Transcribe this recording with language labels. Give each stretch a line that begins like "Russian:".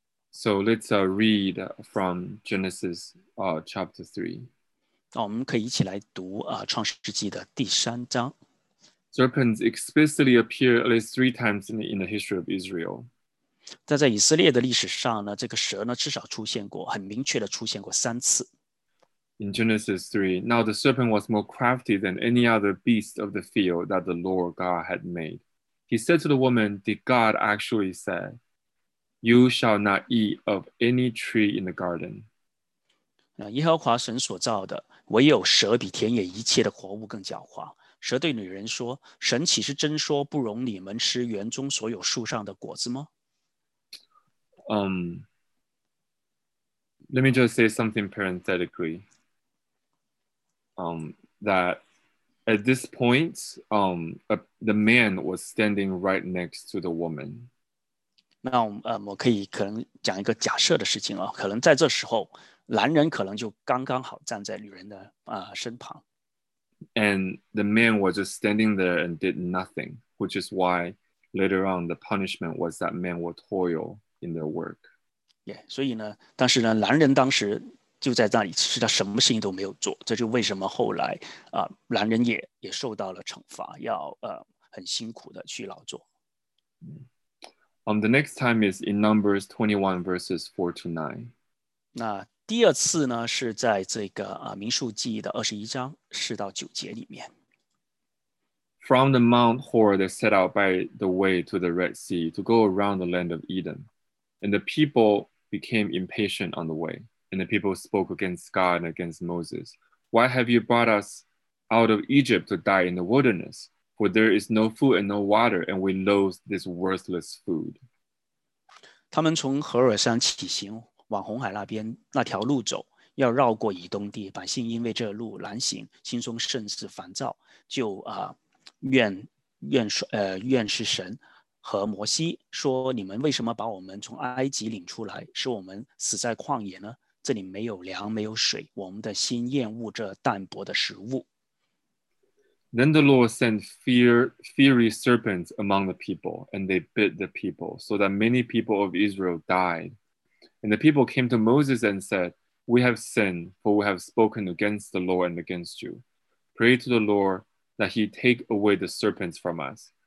English: So let's read from Genesis chapter 3.
Chinese: 那我们可以一起来读创世纪的第三章。
English: Serpents explicitly appear at least 3 times in the history of Israel.
Chinese: 但在以色列的历史上呢，这个蛇呢至少出现过，很明确的出现过三次。
English: In Genesis 3, now the serpent was more crafty than any other beast of the field that the Lord God had made. He said to the woman, Did God actually say, You shall not eat of any tree in the garden?
Chinese: 耶和华神所造的，唯有蛇比田野一切的活物更狡猾。蛇对女人说，神岂是真说不容你们吃园中所有树上的果子吗？
English: Let me just say something parenthetically. That at this point, the man was standing right next to the woman.
Chinese: 那我可以可能讲一个假设的事情啊，可能在这时候，男人可能就刚刚好站在女人的身旁。
English: And the man was just standing there and did nothing, which is why later on the punishment was that men would toil in their work. Yeah,
Chinese: 所以呢，但是呢，男人当时就在那里，其实他什么事情都没有做，这就为什么后来男人也受到了惩罚，要很辛苦的去劳作。
English: The next time is in Numbers 21 verses 4 to 9.
Chinese: 那第二次呢是在这个民数记的21章4到9节里面。
English: From the Mount Hor, they set out by the way to the Red Sea to go around the land of Edom. And the people became impatient on the way. And the people spoke against God and against Moses. Why have you brought us out of Egypt to die in the wilderness? For there is no food and no water, and we loathe this worthless food.
Chinese: 他们从何尔山起行，往红海那边那条路走，要绕过以东地。百姓因为这路难行，心中甚是烦躁，就怨是神和摩西说，你们为什么把我们从埃及领出来，使我们死在旷野呢？这里没有粮，没有水，我们的心厌恶这淡薄的食物。
English: Then the Lord sent fiery serpents among the people, and they bit the people, so that many people of Israel died. And the people came to Moses and said, We have sinned, for we have spoken against the Lord and against you. Pray to the Lord that he take away the serpents from us.